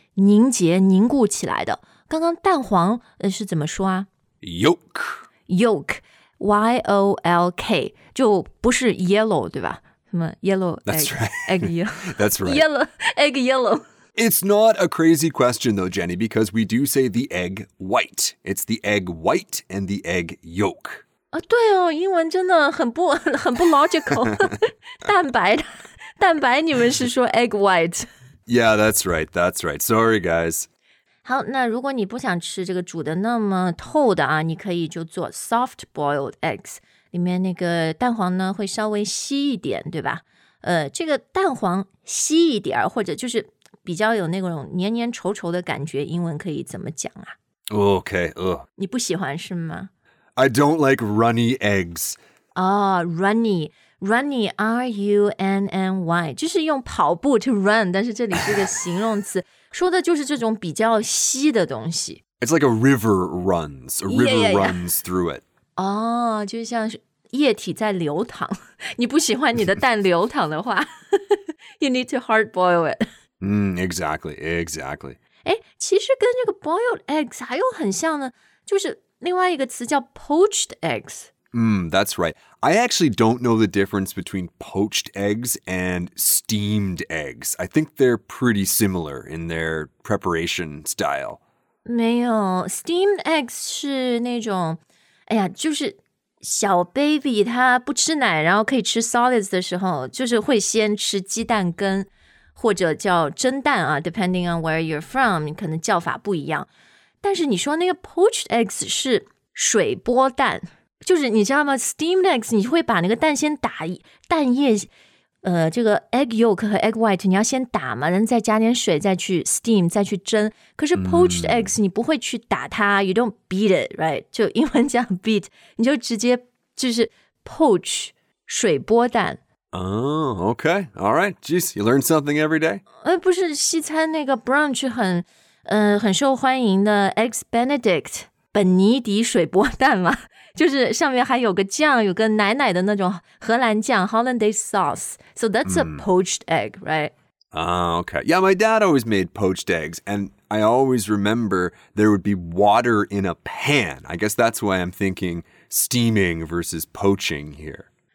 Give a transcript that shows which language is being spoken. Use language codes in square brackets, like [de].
[zh] 凝结凝固起来的刚刚蛋黄是怎么说啊 [en] Yolk [zh] Yolk Y-O-L-K 就不是 yellow 对吧什么 yellow egg, [en] That's right Egg yellow That's right Yellow Egg yellow It's not a crazy question though Jenny Because we do say the egg white It's the egg white and the egg yolk [zh] 啊，对哦英文真的很不 logical 蛋白你们是说 egg white [en] Yeah, that's right, that's right. Sorry, guys. [zh] 好，那如果你不想吃这个煮的那么透的啊，你可以就做 soft boiled eggs， 里面那个蛋黄呢会稍微稀一点，对吧？这个蛋黄稀一点，或者就是比较有那种黏黏稠稠的感觉，英文可以怎么讲啊 [en] ？Okay, [zh] 你不喜欢是吗 [en] ？I don't like runny eggs. Oh, runny. [zh] Runny, R-U-N-N-Y, 就是用跑步 to run, 但是这里是个形容词说的就是这种比较稀的东西。 [en] It's like a river runs, a river yeah, yeah, yeah. runs through it. [zh] 哦、oh, 就像是液体在流淌。你不喜欢你的蛋流淌的话 [en] you need to hard boil it.、 Mm, exactly, exactly. [zh] 诶其实跟这个 boiled eggs 还有很像的就是另外一个词叫 poached eggs。 [en] Mm, that's right. I actually don't know the difference between poached eggs and steamed eggs. I think they're pretty similar in their preparation style. [zh] 没有 steamed eggs 是那种，哎呀，就是小 baby 他不吃奶，然后可以吃 solids 的时候，就是会先吃鸡蛋羹，或者叫蒸蛋啊 ， [en] depending on where you're from， [zh] 可能叫法不一样。但是你说那个 poached eggs 是水波蛋。就是你知道吗 ？Steamed eggs， 你会把那个蛋先打蛋液，这个 egg yolk 和 egg white， 你要先打嘛，然后再加点水，再去 steam， 再去蒸。可是 poached eggs， 你不会去打它 ， [en] you don't beat it， right？ [zh] 就英文讲 beat， 你就直接就是 poach 水波蛋。 [en] Oh, okay, all right. Jeez, you learn something every day. [zh] 不是西餐那个 brunch 很受欢迎的 eggs Benedict 本尼迪水波蛋吗？就是上面还有个酱，有个奶奶的那种荷兰酱 ，Hollandaise sauce. [en] So that's a poached egg, right? Okay. Yeah, my dad always made poached eggs, and I always remember there would be water in a pan. I guess that's why I'm thinking steaming versus poaching here.